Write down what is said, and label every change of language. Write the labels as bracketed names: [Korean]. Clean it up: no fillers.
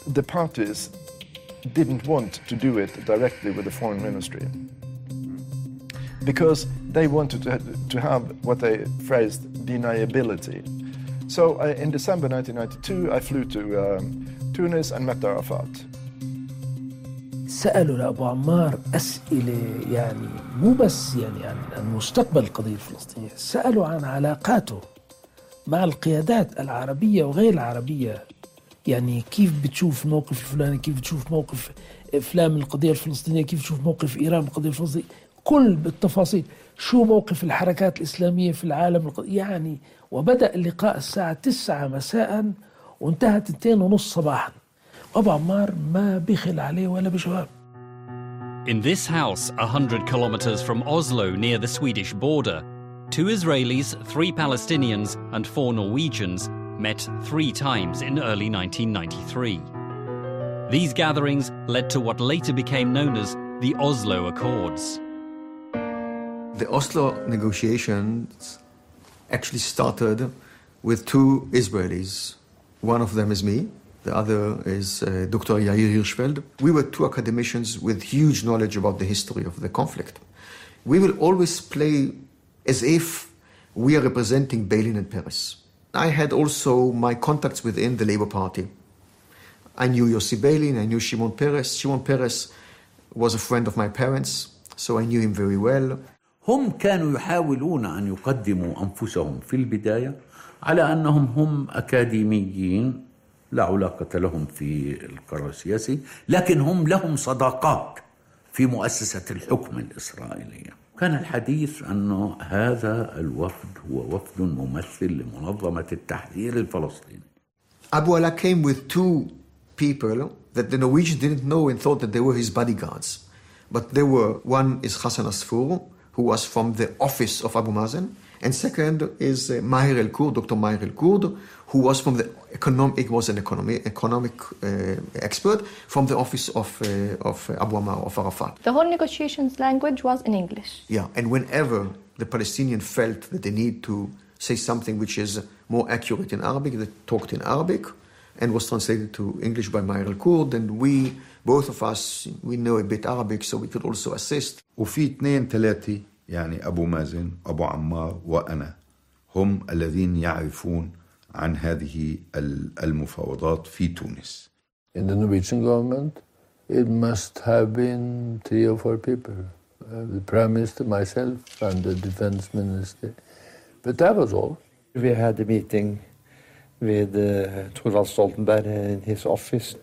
[English] The parties didn't want to do it directly with the foreign ministry because they wanted to have what they phrased deniability. So in December 1992, I flew to Tunis and met Arafat. [Arabic] سألوا لأبو عمار أسئلة يعني مو بس يعني عن المستقبل القضية الفلسطينية سألوا عن علاقاته مع القيادات العربية وغير العربية يعني كيف بتشوف موقف الفلاني كيف بتشوف موقف إفلام القضية الفلسطينية كيف بتشوف موقف إيران القضية الفلسطينية كل بالتفاصيل شو موقف الحركات الإسلامية في العالم يعني وبدأ اللقاء الساعة 9 مساء وانتهت 2:30 صباحا أبو عمار ما بيخل عليه ولا بجواب. [English] In this house, 100 kilometers from Oslo near the Swedish border, two Israelis, three Palestinians and four Norwegians met three times in early 1993. These gatherings led to what later became known as the Oslo Accords. The Oslo negotiations actually started with two Israelis. One of them is me, the other is Dr. Yair Hirschfeld. We were two academicians with huge knowledge about the history of the conflict. We will always play as if we are representing Beilin and Peres. I had also my contacts within the Labour Party. I knew Yossi Beilin, I knew Shimon Peres. Shimon Peres was a friend of my parents, so I knew him very well. [Arabic] هم كانوا يحاولون أن يقدموا أنفسهم في البداية على أنهم هم أكاديميين لا علاقة لهم في القرار السياسي لكن هم لهم صداقات في مؤسسة الحكم الإسرائيلية. كان الحديث أنه هذا الوفد هو وفد ممثل لمنظمة التحرير الفلسطيني. [English] أبو علا came with two people that the Norwegians didn't know and thought that they were his bodyguards. But there were, one is Hassan Asfour, who was from the office of Abu Mazen, and second is Maher El-Kurd, Dr. Maher El-Kurd, who was from the economic, was an economic expert from the office of Abu Ammar, of Arafat. The whole negotiations language was in English. Yeah, and whenever the Palestinian felt that they need to say something which is more accurate in Arabic, they talked in Arabic and was translated to English by Maher El-Kurd, and we, both of us, we know a bit Arabic, so we could also assist. [Arabic] وفي اثنين ثلاثة يعني أبو مازن أبو عمار وأنا هم الذين يعرفون عن هذه المفاوضات في تونس. [English] In the Norwegian government, it must have been three or four people. the Prime Minister, myself, and the Defense Minister. But that was all. We had a meeting with Thorvald Stoltenberg in his office.